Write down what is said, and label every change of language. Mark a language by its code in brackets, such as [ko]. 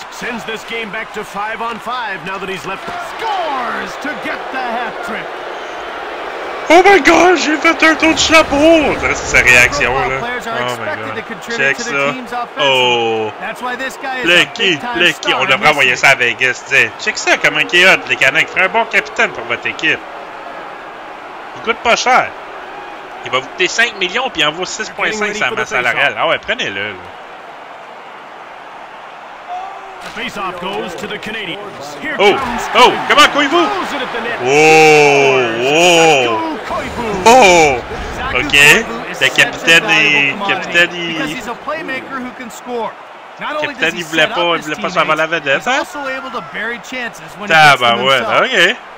[en] Sends this game back to 5-on-5 now that he's left. Scores to get the hat trick. Oh my god, [fr] j'ai fait un tour de chapeau! C'est sa réaction là. [en] Oh my god. [fr] Check ça. Oh. Plecky, Plecky. On devrait envoyer ça à Vegas, tu sais. Check ça, comment il est hot, les Canucks. Ferait un bon capitaine pour votre équipe. Il coûte pas cher. Il va vous coûter 5 millions puis il en vaut 6,5 sa masse salariale. Ah ouais, prenez-le. Là. [en] Face-off goes to the Canadiens. Here comes oh, come on, Koivu! Oh, oh, oh, OK. [fr] Le capitaine, est... capitaine, il... [en] he's a playmaker who can score. [fr] Capitaine, il voulait pas, il voulait pas s'en aller à la vedette, hein? [en] Also able to bury chances when he gets to himself.